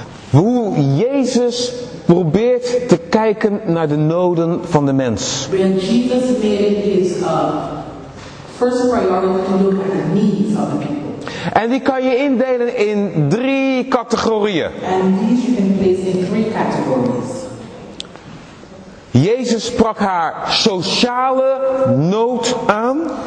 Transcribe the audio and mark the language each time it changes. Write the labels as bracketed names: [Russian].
[Dutch] Hoe Jezus probeert te kijken naar de noden van de mens. [English] When Jesus made his first priority to look at the needs of the people. [Dutch] En die kan je indelen in drie categorieën. [English] And these you can place in three categories. [Dutch] Jezus sprak haar sociale nood aan.